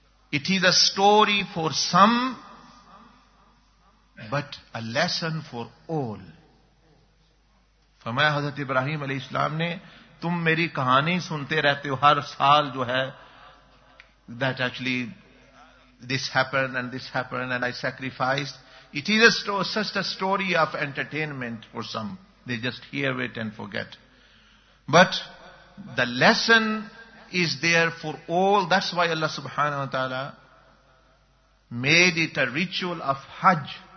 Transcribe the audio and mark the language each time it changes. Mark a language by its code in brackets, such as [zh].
[en] It is a story for some, but a lesson for all. [ur] فرمایا حضرت ابراہیم علیہ السلام نے, تم میری کہانی سنتے رہتے ہو ہر سال جو ہے, [en] that actually this happened and I sacrificed. It is just a story of entertainment for some. They just hear it and forget. But the lesson is there for all. That's why Allah subhanahu wa ta'ala made it a ritual of Hajj.